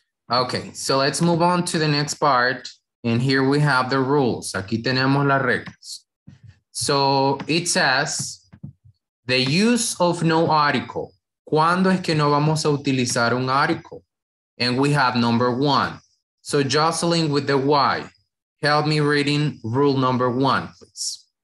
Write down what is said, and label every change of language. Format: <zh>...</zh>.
<en>Okay, so let's move on to the next part. And here we have the rules.</en> <es>Aquí tenemos las reglas.</es> <en>So, it says, the use of no article.</en> <es>¿Cuándo es que no vamos a utilizar un article?</es> <en>And we have number one. So, Jocelyn with the Y, help me reading rule number one, please.</en>